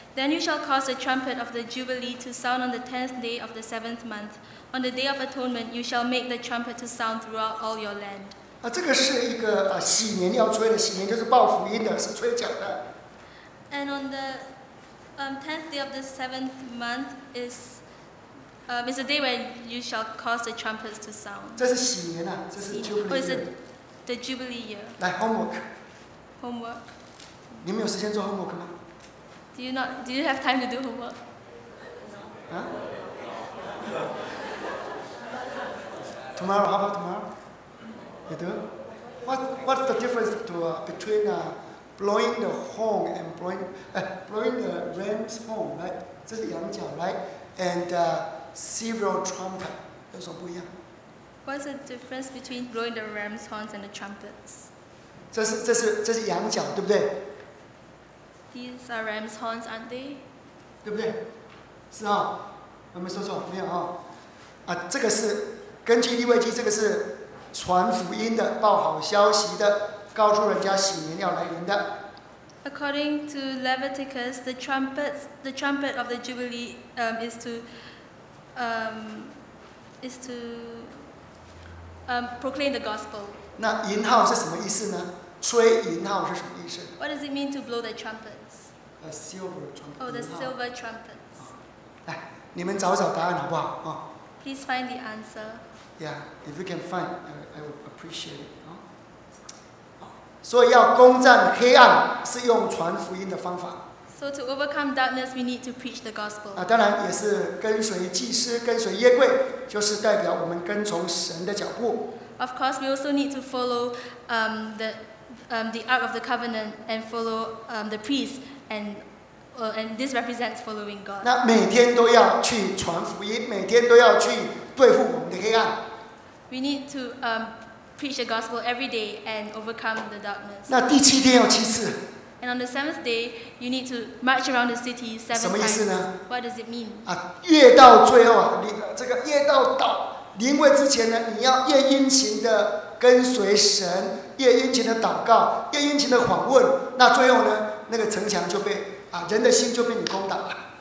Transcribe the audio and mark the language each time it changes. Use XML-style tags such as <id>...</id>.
<en>Then you shall cause the trumpet of the jubilee to sound on the 10th day of the 7th month. On the day of atonement, you shall make the trumpet to sound throughout all your land.</en> <zh>这个是一个禧年要吹的，禧年就是报福音的，是吹角的。</zh> <en>And on the 10th day of the 7th month is a day when you shall cause the trumpets to sound.</en> <zh>这是禧年啊，这是 jubilee.</zh> <en>Is it the jubilee year?</en> <zh>来 homework.</zh> <en>Homework.</en> <zh>你们有时间做 homework 吗？</zh> <en>Do you have time to do homework? No. 啊？ Tomorrow, how about tomorrow? You do? What's the difference between blowing the horn and blowing the ram's horn, right?</en> <zh>这是羊角 right?</zh> <en>And several trumpet,</en> <zh>有什么不一样？</zh> <en>What's the difference between blowing the ram's horns and the trumpets?</en> <zh>这是羊角，对不对</zh> <en>？These are ram's horns, aren't they?</en> <zh>对不对？是哈、哦，我没说错，没有哈、哦。啊，这个是根据利未记，这个是传福音的，报好消息的，告诉人家喜年要来临的。</zh> <en>According to Leviticus, the trumpet of the jubilee, is to proclaim the gospel.</en> <zh>那银号是什么意思呢？吹银号是什么意思</zh> <en>？What does it mean to blow the trumpets? A silver trumpet. Oh, the silver trumpets.</en> <zh>来，你们找找答案好不好？啊。</zh> <en>Please find the answer. Yeah, if you can find, I will appreciate it. 啊。</en> <zh>所以要攻占黑暗是用传福音的方法。</zh> <en>So to overcome darkness, we need to preach the gospel.</en> <zh>啊，当然也是跟随祭司，跟随耶柜，就是代表我们跟从神的脚步。</zh> <en>Of course, we also need to follow, the Ark of the Covenant and follow the priest and this represents following God.</en> <zh>那每天都要去传福音，每天都要去对付我们的黑暗。</zh> <en>We need to preach the gospel every day and overcome the darkness.</en> <zh>那第七天有七次。</zh> <en>And on the seventh day, you need to march around the city seven times.</en> <zh>什么意思呢</zh> <en>？What does it mean?</en> <zh>啊，越到最后啊，越到倒临位之前呢，你要越殷勤的。跟随神，越殷勤的祷告，越殷勤的访问，那最后呢，那个城墙就被啊，人的心就被你攻打了。</zh>